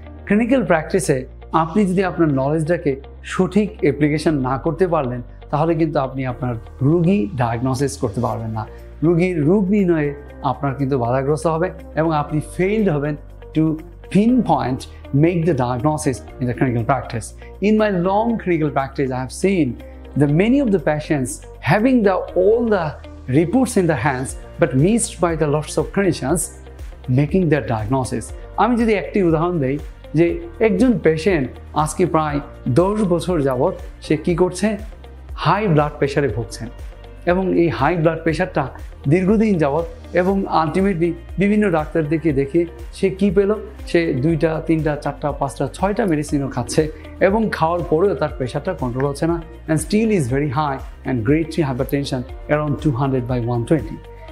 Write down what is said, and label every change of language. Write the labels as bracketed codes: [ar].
[bn] Clinical প্র্যাকটিসে আপনি যদি আপনার নলেজটাকে সঠিক অ্যাপ্লিকেশান না করতে পারলেন তাহলে কিন্তু আপনি আপনার রোগী ডায়াগনোসিস করতে পারবেন না, রোগীর রোগ নির্ণয়ে আপনার কিন্তু বাধাগ্রস্ত হবে এবং আপনি ফেইলড হবেন [en] To pin point make the diagnosis in the clinical practice. In my long clinical practice I have seen the many of the patients having the all the reports in the hands but missed by the lots of clinicians making their diagnosis. [bn] Ami jodi ekti udahoron dei je ekjon patient aajke pray 10 bochhor jabot she ki korche high blood pressure e bhugchen ebong ei high blood pressure ta dirghodin jabot এবং ultimately বিভিন্ন doctor দেখে দেখে সে কী পেলো, সে দুইটা তিনটা চারটা পাঁচটা ছয়টা মেডিসিনও খাচ্ছে এবং খাওয়ার পরেও তার প্রেশারটা কন্ট্রোল হচ্ছে না [en] And still is very high and grade three hypertension around 200/120।